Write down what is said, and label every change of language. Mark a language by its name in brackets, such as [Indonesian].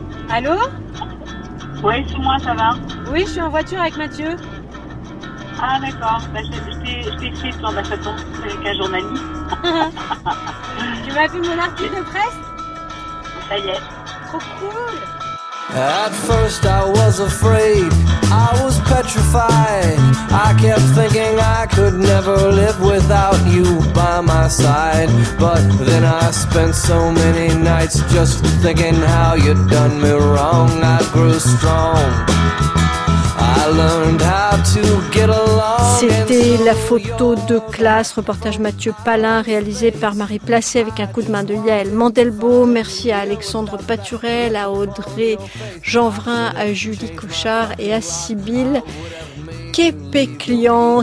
[French] Allô? Oui, c'est moi, ça va? Oui, je suis en voiture avec Mathieu. Ah d'accord, bah, c'est écrit sur ma façon, c'est avec un journaliste. Tu m'as vu mon article de presse? Ça y est. Trop cool! [English] At first I was afraid, I was petrified. I kept thinking I could never live without you by my side. But then I spent so many nights just thinking how you'd done me wrong. I grew strong, I learned how to get along. [French] C'était la photo de classe, reportage Mathieu Palin, réalisé par Marie Placé avec un coup de main de Yaël Mandelbeau. Merci à Alexandre Paturel, à Audrey Jeanvrin, à Julie Couchard et à Sybille Képé-Clian.